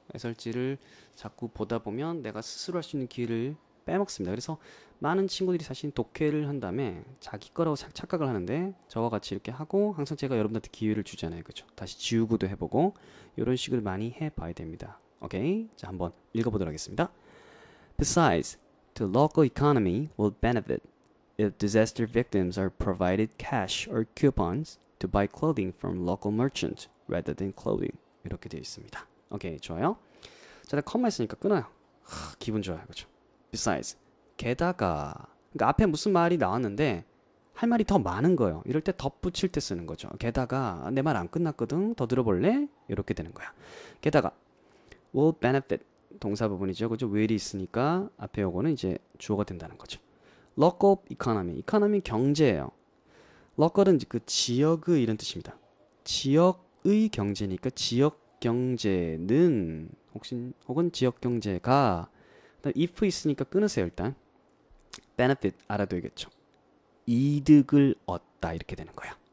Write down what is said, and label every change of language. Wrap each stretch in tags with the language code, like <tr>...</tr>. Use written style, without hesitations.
<ko>해설지를 자꾸 보다 보면 내가 스스로 할수 있는 길을 빼먹습니다. 그래서 많은 친구들이 사실 독해를 한 다음에 자기 거라고 착각을 하는데 저와 같이 이렇게 하고 항상 제가 여러분한테 기회를 주잖아요. 그렇죠? 다시 지우고도 해보고 이런 식으로 많이 해봐야 됩니다. 오케이? 자, 한번 읽어보도록 하겠습니다.</ko> <en>Besides, the local economy will benefit if disaster victims are provided cash or coupons to buy clothing from local merchants rather than clothing.</en> <ko>이렇게 되어 있습니다. 오케이, 좋아요. 자, 내가 컴마 있으니까 끊어요. 기분 좋아요. 그렇죠? Besides, 게다가, 그러니까 앞에 무슨 말이 나왔는데 할 말이 더 많은 거예요. 이럴 때 덧붙일 때 쓰는 거죠. 게다가 내말안 끝났거든. 더 들어볼래? 이렇게 되는 거야. 게다가 will benefit 동사 부분이죠. 그죠? will이 있으니까 앞에 요거는 이제 주어가 된다는 거죠. local economy, economy 경제예요. local은 이제 그 지역의 이런 뜻입니다. 지역의 경제니까 지역 경제는 혹은 지역 경제가 if 있으니까 끊으세요, 일단. benefit 알아둬야겠죠. 이득을 얻다. 이렇게 되는 거야.</ko>